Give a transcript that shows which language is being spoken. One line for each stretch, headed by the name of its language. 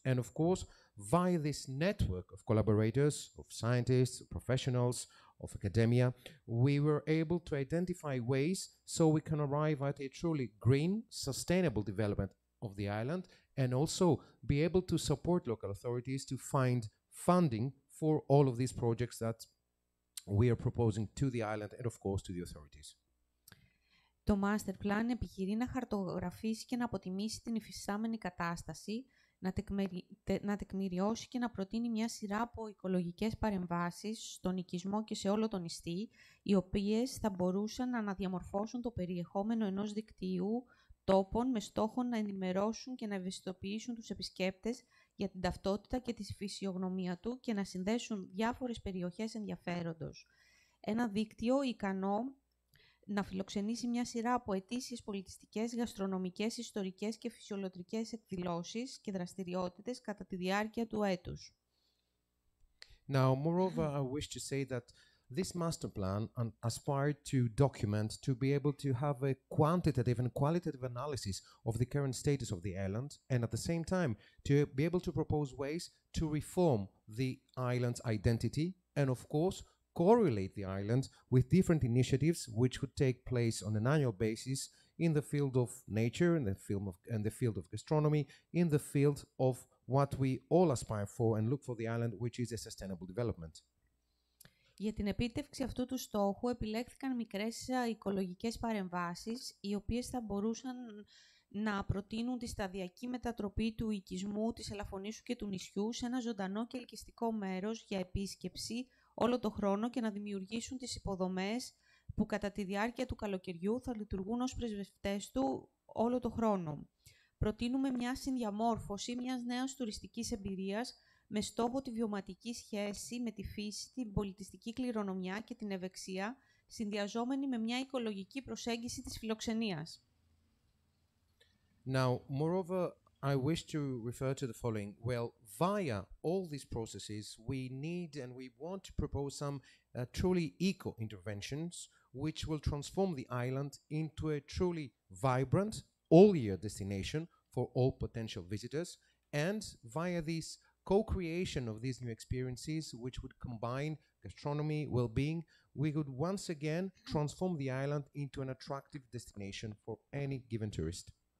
English: And of course, via this network of collaborators, of scientists, of professionals, of academia, we were able to identify ways so we can arrive at a truly green, sustainable development of the island, and also be able to support local authorities to find funding for all of these projects that we are proposing to the island and, of course, to the authorities.
Greek: Το Master Plan επιχειρεί να χαρτογραφήσει και να αποτιμήσει την υφιστάμενη κατάσταση, να τεκμηριώσει και να προτείνει μια σειρά από οικολογικές παρεμβάσεις στον οικισμό και σε όλο τον νηστή, οι οποίες θα μπορούσαν να αναδιαμορφώσουν το περιεχόμενο ενός δικτύου τόπων με στόχο να ενημερώσουν και να ευαισθητοποιήσουν τους επισκέπτες για την ταυτότητα και τη φυσιογνωμία του και να συνδέσουν διάφορες περιοχές ενδιαφέροντος. Ένα δίκτυο ικανό να φιλοξενήσει μια σειρά από ετήσιες πολιτιστικές, γαστρονομικές, ιστορικές και φυσιολογικές εκδηλώσεις και δραστηριότητες κατά τη διάρκεια του έτους.
English: Now, moreover, I wish to say that this master plan aspired to document, to be able to have a quantitative and qualitative analysis of the current status of the island, and at the same time, to be able to propose ways to reform the island's identity, and of course, correlate the island with different initiatives which would take place on an annual basis in the field of nature, in the field of gastronomy, in the field of what we all aspire for and look for the island, which is a sustainable development.
Greek: Για την επίτευξη αυτού του στόχου επιλέχθηκαν μικρές οικολογικές παρεμβάσεις, οι οποίες θα μπορούσαν να προτείνουν τη σταδιακή μετατροπή του οικισμού, της Ελαφωνήσου και του νησιού σε ένα ζωντανό και ελκυστικό μέρος για επίσκεψη όλο το χρόνο και να δημιουργήσουν τις υποδομές που κατά τη διάρκεια του καλοκαιριού θα λειτουργούν ως πρεσβευτές του όλο το χρόνο. Προτείνουμε μια συνδιαμόρφωση μιας νέας τουριστικής εμπειρίας με στόχο τη βιωματική σχέση με τη φύση, την πολιτιστική κληρονομιά και την ευεξία, συνδυαζόμενη με μια οικολογική προσέγγιση της φιλοξενίας.
English: Now, moreover, I wish to refer to the following. Well, via all these processes, we need and we want to propose some truly eco interventions, which will transform the island into a truly vibrant, all-year destination for all potential visitors, and via these co-creation of these new experiences, which would combine gastronomy, well-being, we could once again transform the island into an attractive destination for any given tourist.